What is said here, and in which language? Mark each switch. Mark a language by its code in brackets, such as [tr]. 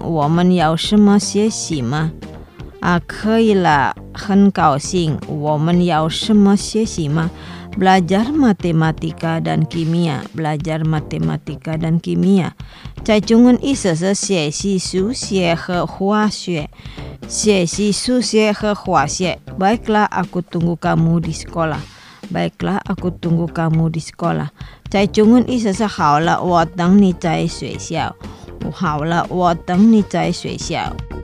[zh] 我们有什么学习吗？啊，可以了，很高兴。我们有什么学习吗？ [id] Belajar matematika dan kimia. Belajar matematika dan kimia. [zh] 在中文意思是学习数学和化学，学习数学和化学。 [id] Baiklah, aku tunggu kamu di sekolah. Baiklah, aku tunggu kamu di sekolah. [zh] 在中文意思是好了，我等你在学校。好了，我等你在学校。